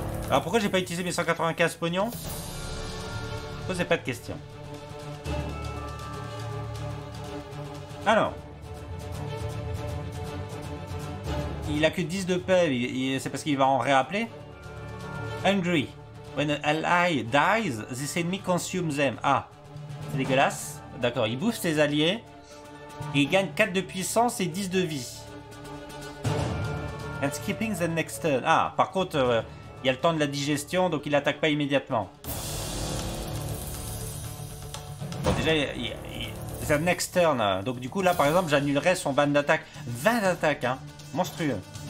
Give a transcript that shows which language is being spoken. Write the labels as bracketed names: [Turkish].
[French] Alors pourquoi j'ai pas utilisé mes 195 pognons? Posez pas de questions. Alors. Il a que 10 de paix, c'est parce qu'il va en réappeler. [English] Angry. When an ally dies, this enemy consumes them. [French] Ah. C'est dégueulasse. D'accord, il bouffe ses alliés. Et il gagne 4 de puissance et 10 de vie. [English] And skipping the next turn. [French] Ah, par contre, il y a le temps de la digestion, donc il attaque pas immédiatement. Bon, déjà, [English] the next turn. [French] Donc, du coup, là, par exemple, j'annulerai son ban d'attaque. 20 d'attaque, hein. Monstrueux.